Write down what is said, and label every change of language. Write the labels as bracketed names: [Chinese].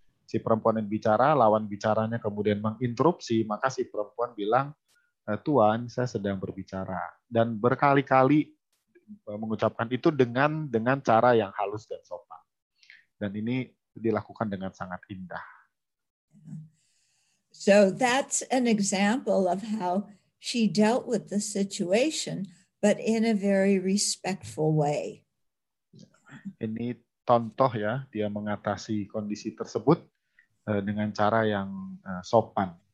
[Indonesian] si perempuan yang bicara, lawan bicaranya kemudian menginterupsi, maka si perempuan bilang, Tuan, saya sedang berbicara. Dan berkali-kali mengucapkan itu dengan cara yang halus dan sopan. Dan ini dilakukan dengan sangat indah. [English] So that's an example of how she dealt with the situation, but in a very respectful way. [Indonesian] Ini contoh ya, dia mengatasi kondisi tersebut dengan cara yang sopan.